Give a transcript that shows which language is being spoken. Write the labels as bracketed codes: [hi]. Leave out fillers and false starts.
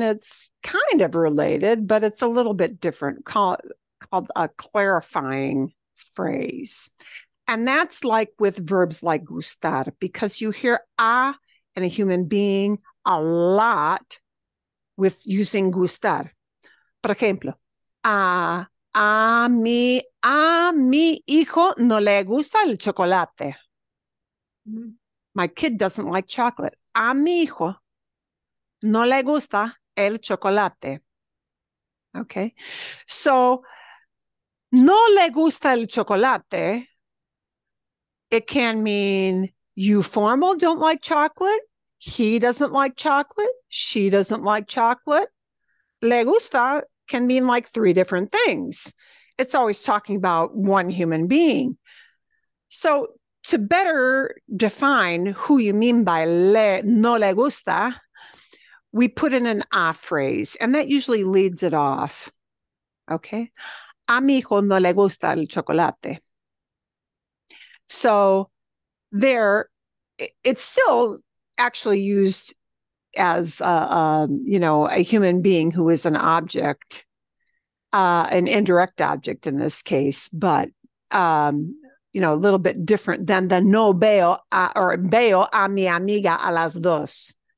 [en] It's kind of related, but it's a little bit different, called a clarifying phrase. And that's like with verbs like gustar, because you hear a in a human being a lot with using gustar. [es] Por ejemplo, a mi hijo no le gusta el chocolate. [en] My kid doesn't like chocolate. [es] A mi hijo no le gusta el chocolate. Okay. So, no le gusta el chocolate. [en] It can mean you formal don't like chocolate. He doesn't like chocolate. She doesn't like chocolate. Le gusta can mean like three different things. It's always talking about one human being. So to better define who you mean by [es] no le gusta, [en] we put in an a phrase, and that usually leads it off. [es] Okay. A mi hijo no le gusta el chocolate. [en] So there, it's still actually used as, you know, a human being who is an object, an indirect object in this case, but, you know, a little bit different than the [es] no veo a, [en] or [es] veo a mi amiga a las dos.